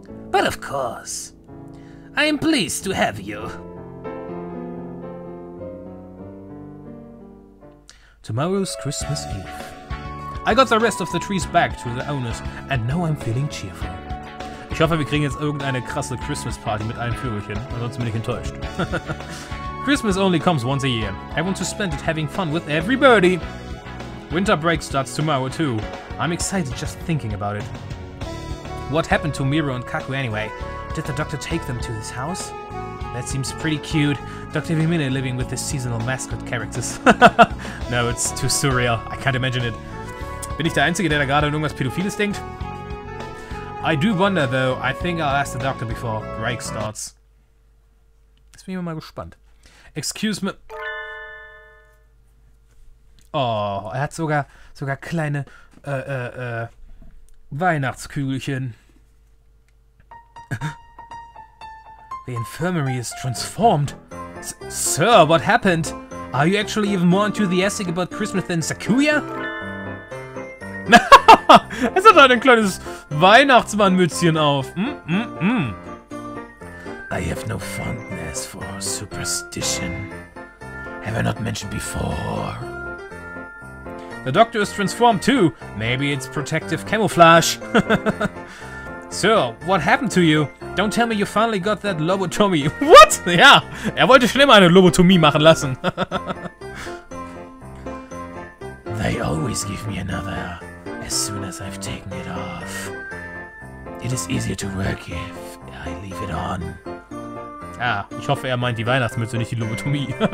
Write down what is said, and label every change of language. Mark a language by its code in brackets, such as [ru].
[en] But of course. I am pleased to have you. Tomorrow's Christmas Eve. I got the rest of the trees back to the owners, and now I'm feeling cheerful. [de] Ich hoffe, wir kriegen jetzt irgendeine krasse Christmas Party mit einem Vögelchen, ansonsten bin ich enttäuscht. [en] Christmas only comes once a year. I want to spend it having fun with every birdie. Winter break starts tomorrow too. I'm excited just thinking about it. What happened to Miro and Kaku anyway? Did the doctor take them to his house? That seems pretty cute. Dr. Vimine living with his seasonal mascot characters. No, it's too surreal. I can't imagine it. [de] Bin ich der Einzige, der da gerade an irgendwas Pädophiles denkt? [en] I do wonder though. I think I'll ask the doctor before break starts. [de] Jetzt bin ich mal gespannt. [en] Excuse me. [de] Oh, er hat sogar kleine Weihnachtskügelchen. [en] The infirmary is transformed. Sir, what happened? Are you actually even more enthusiastic about Christmas than Sakuya? [de] Es hat halt ein kleines Weihnachtsmannmützchen auf. [en] I have no fondness for superstition. Have I not mentioned before? The doctor is transformed too. Maybe it's protective camouflage. So, what happened to you? Don't tell me you finally got that lobotomy. What? [de] Yeah, wollte schon immer eine Lobotomie machen lassen. [en] They always give me another as soon as I've taken it off. It is easier to work if I leave it on. [de] Ah, ich hoffe, er meint die Weihnachtsmütze, nicht die Lobotomie.